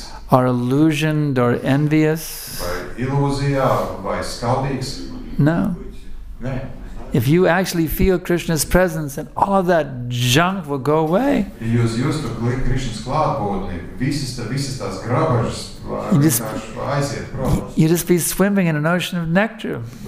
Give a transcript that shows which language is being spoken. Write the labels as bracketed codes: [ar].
[en] are illusioned or envious? [lv] Vai ilūzijā vai skaudīgs? [en] No. [lv] Nē. [en] If you actually feel Krishna's presence, then all of that junk will go away. You just be swimming in an ocean of nectar.